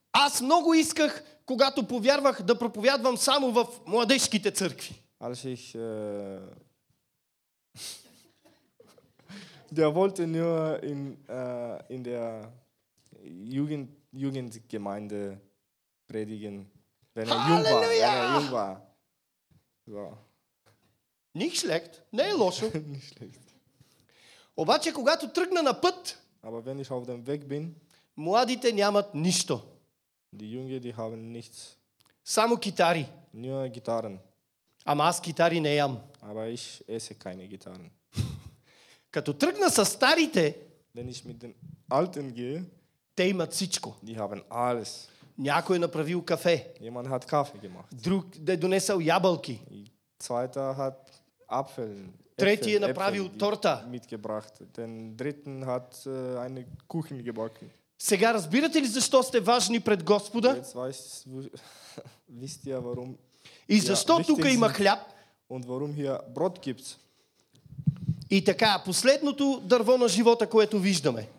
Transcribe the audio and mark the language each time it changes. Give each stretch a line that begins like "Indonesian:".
Bulgarian: Аз много исках, когато повярвах, да проповядвам само в младежките църкви.
German: Als ich der wollte nur in der Jugendgemeinde predigen, wenn er jung war, So. Nicht schlecht.
Bulgarian: Не е лошо.
German: Nicht schlecht.
Bulgarian: Обаче когато тръгна на път,
German: aber wenn ich auf dem Weg bin,
Bulgarian: младите нямат нищо.
German: Die Jungen, die haben nichts.
Bulgarian: Само китари.
German: Nur Gitarren.
Bulgarian: Ама аз китари не ям.
German: Aber ich esse keine Gitarren.
Bulgarian: Като тръгна с старите,
German: wenn ich mit den Alten gehe,
Bulgarian: те имат всичко.
German: Die haben alles.
Bulgarian: Някой направил кафе.
German: Jemand hat Kaffee gemacht.
Bulgarian: Друг е донесъл ябълки.
German: Zweiter hat Apfel.
Bulgarian: Трети е направил торта.
German: Mitgebracht. Den Dritten hat eine Kuchen gebacken.
Bulgarian: Сега разбирате ли защо сте важни пред Господа?
German: Wisst ihr, warum?
Bulgarian: И защо тук има хляб?
German: Und warum hier Brot gibt's?
Bulgarian: И така, последното дърво на живота, което виждаме.